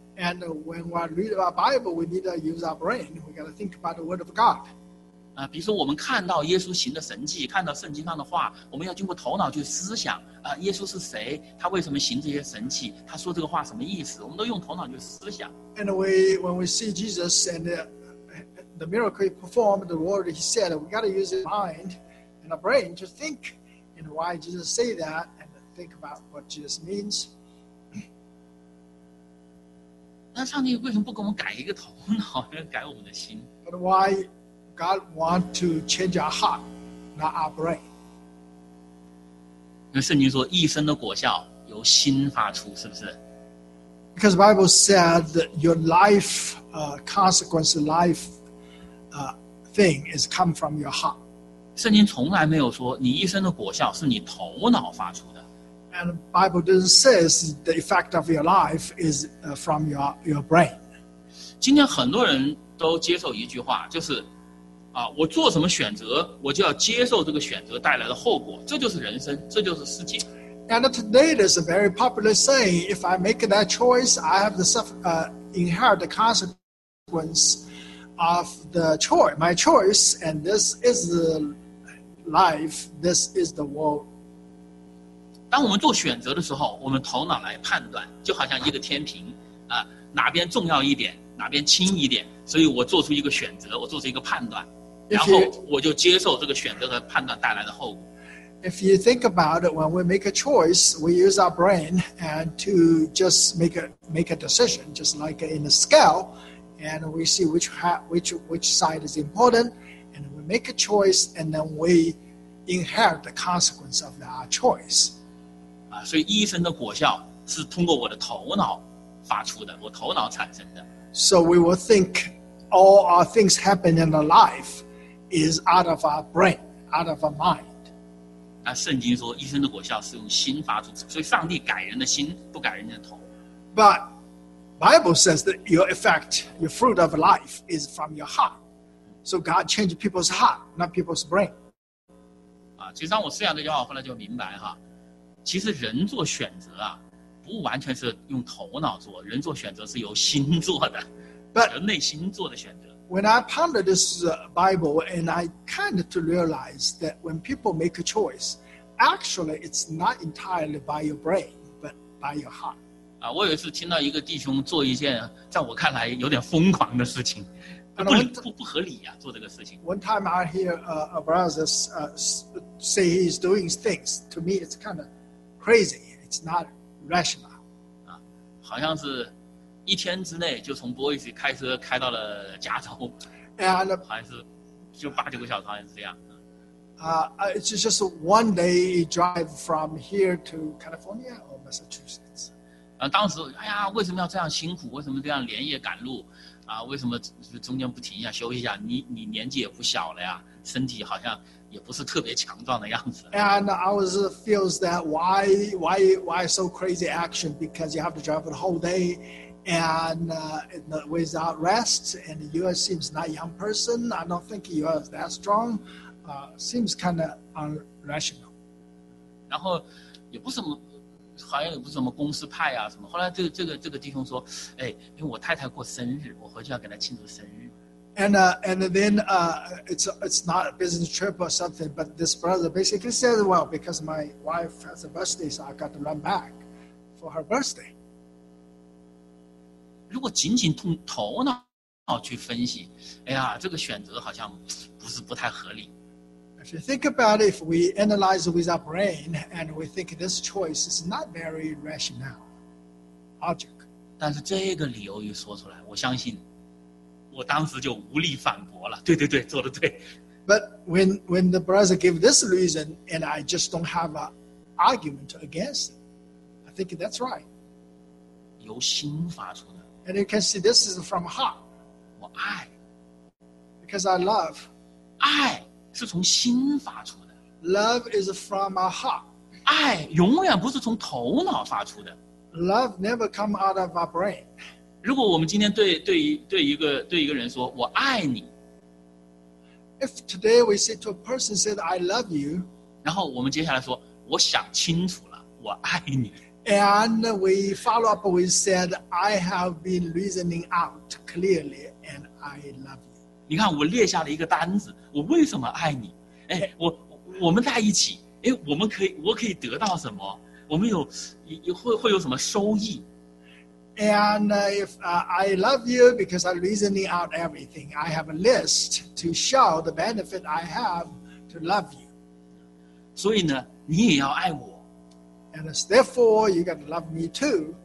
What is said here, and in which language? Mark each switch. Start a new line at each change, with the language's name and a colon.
English: And when we read our Bible, we need to use our brain. We got to think about the word of God.
Chinese: 比如说我们看到耶稣行的神迹，看到圣经上的话，我们要经过头脑去思想，耶稣是谁？他为什么行这些神迹？他说这个话什么意思？我们都用头脑去思想。
English: And when we see Jesus and the miracle he performed, the word he said, we got to use our mind and our brain to think and why Jesus say that and think about what Jesus means.
Chinese: 那上帝为什么不给我们改一个头脑，改我们的心
English: ？But why God want to change our heart, not our brain?
Chinese: 那圣经说，一生的果效由心发出，是不是
English: ？Because the Bible said that your life, consequence, life, thing is come from your heart.
Chinese: 圣经从来没有说你一生的果效是你头脑发出的。
English: And the Bible doesn't say the effect of your life is from your brain.
Chinese: 今天很多人都接受一句话，就是我做什么选择，我就要接受这个选择带来的后果，这就是人生，这就是世界。
English: And today there's a very popular saying, if I make that choice, I have to inherit the consequence of the choice, my choice, and this is the life, this is the world.
Chinese: 当我们做选择的时候，我们头脑来判断，就好像一个天平，哪边重要一点，哪边轻一点，所以我做出一个选择，我做出一个判断，然后我就接受这个选择和判断带来的后果。
English: If you think about it, when we make a choice, we use our brain and to just make a decision, just like in a scale, and we see which side is important, and we make a choice, and then we inherit the consequence of our choice.
Chinese: 所以医生的果效是通过我的头脑发出的，我头脑产生的。
English: So we will think all our things happen in our life is out of our brain, out of our mind.
Chinese: 那圣经说医生的果效是用心发出，所以上帝改人的心，不改人的头。
English: But Bible says that your effect, your fruit of life is from your heart. So God changed people's heart, not people's brain.
Chinese: 其实当我思想这句话，后来就明白哈。其实人做选择啊，不完全是用头脑做，人做选择是由心做的，人内心做的选择。
English: When I pondered this Bible and I kind of realized that when people make a choice, actually it's not entirely by your brain, but by your heart.
Chinese: 我有一次听到一个弟兄做一件在我看来有点疯狂的事情，不合理啊，做这个事情。
English: One time I hear a brother say he's doing things. To me, it's kind of crazy, it's not rational.
Chinese: 好像是一天之内就从波士顿开车开到了加州，好像是就八九个小时，好像是这样。
English: It's just one day drive from here to California or Massachusetts.
Chinese: 当时哎呀，为什么要这样辛苦？为什么这样连夜赶路？为什么中间不停一下休息一下？你年纪也不小了呀，身体好像。也不是特别强壮的样子。
English: And I was feels that why so crazy action? Because you have to drive the whole day, and without rest, and you seems not young person. I don't think you are that strong. Seems kind of irrational.
Chinese: 然后也不什么，好像也不什么公司派啊什么。后来这个弟兄说，哎，因为我太太过生日，我回去要给她庆祝生日。
English: And then it's not a business trip or something, but this brother basically said, well, because my wife has a birthday, so I got to run back for her birthday.
Chinese: 如果仅仅从头脑去分析，哎呀，这个选择好像不是不太合理。
English: If you think about it, if we analyze with our brain and we think this choice is not very rational, logic.
Chinese: 但是这个理由一说出来，我相信。我当时就无力反驳了，对对对，做得对。
English: But when the brother gave this reason, and I just don't have an argument against it, I think that's right.
Chinese: 由心发出的。
English: And you can see this is from heart.
Chinese: 我爱。
English: Because I love.
Chinese: 爱是从心发出的。
English: Love is from my heart.
Chinese: 爱永远不是从头脑发出的。
English: Love never come out of our brain.
Chinese: 如果我们今天对一个人说我爱你
English: ，If today we say to a person said I love you，
Chinese: 然后我们接下来说我想清楚了，我爱你。
English: And we follow up, we said, I have been reasoning out clearly, and I love you.
Chinese: 你看，我列下了一个单子，我为什么爱你？哎，我们在一起，哎，我们可以，我可以得到什么？我们有，会有什么收益？
English: And if I love you because I'm reasoning out everything, I have a list to show the benefit I have to love you.
Chinese: 所以呢，你也要爱我。
English: And therefore, you got to love me too.